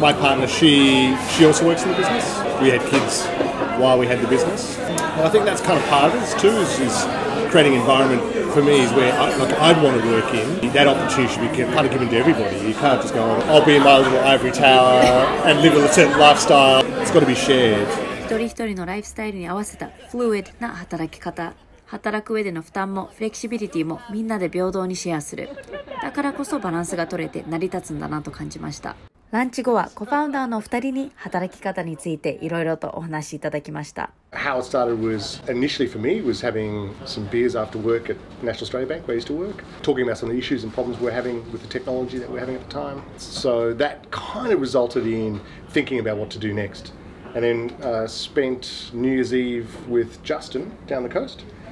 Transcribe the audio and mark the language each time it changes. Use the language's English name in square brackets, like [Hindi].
[English] My partner, she also works in the business. We had kids while we had the business. And I think that's kind of part of it too, is creating an environment for me is where I'd want to work in. That opportunity should be kind of given to everybody. You can't just go, I'll be in my little ivory tower and live a certain lifestyle. It's got to be shared. [Japanese] 一人一人のライフスタイルに合わせたフルイドな働き方。働く上での負担もフレキシビリティもみんなで平等にシェアする。だからこそバランスが取れて成り立つんだなと感じました。ランチ後はコファウンダーのお二人に働き方についていろいろとお話しいただきました。 [English] How it started was initially for me was having some beers after work at National Australia Bank where I used to work, talking about some of the issues and problems we're having with the technology that we're having at the time. So that kind of resulted in thinking about what to do next. And then spent New Year's Eve with Justin down the coast.